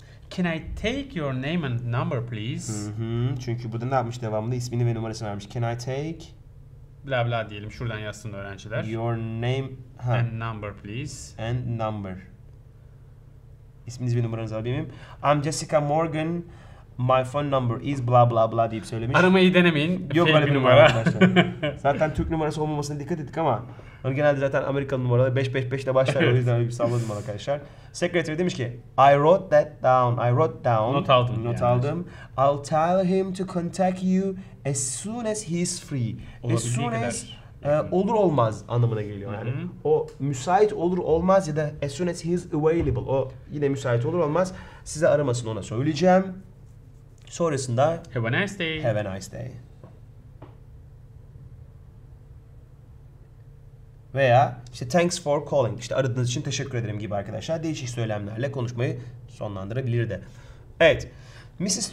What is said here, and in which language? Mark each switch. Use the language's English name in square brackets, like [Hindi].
[English] Can I take your name and number please? [Turkish] Çünkü burada ne yapmış devamında ismini ve numarasını vermiş. [English] Can I take [Turkish] bla bla diyelim şuradan yazsın öğrenciler. [English] Your name and number please. And number. [Turkish] İsminiz ve numaranızı alabilir miyim? [English] I'm Jessica Morgan. My phone number is bla bla bla [Turkish] deyip söylemiş. Aramayı denemeyin. Yok öyle bir numara. Zaten Türk numarası olmamasına dikkat ettik ama onu genelde zaten Amerikalı numaralı 555 ile başlar. O yüzden bir salladım arkadaşlar. [English] Secretary [Turkish] demiş ki [English] I wrote that down. I wrote down. [Turkish] Not aldım. Not yani. Aldım. [English] I'll tell him to contact you as soon as he's free. As soon as [Turkish] olur olmaz anlamına geliyor yani. Hı-hı. O müsait olur olmaz ya da [English] as soon as he's available. [Turkish] O yine müsait olur olmaz. Size aramasını ona söyleyeceğim. Sonrasında [English] have a nice day. Have a nice day. [Turkish] Veya işte [English] thanks for calling. [Turkish] İşte aradığınız için teşekkür ederim gibi arkadaşlar. Değişik söylemlerle konuşmayı sonlandırabilir de. Evet. Mrs.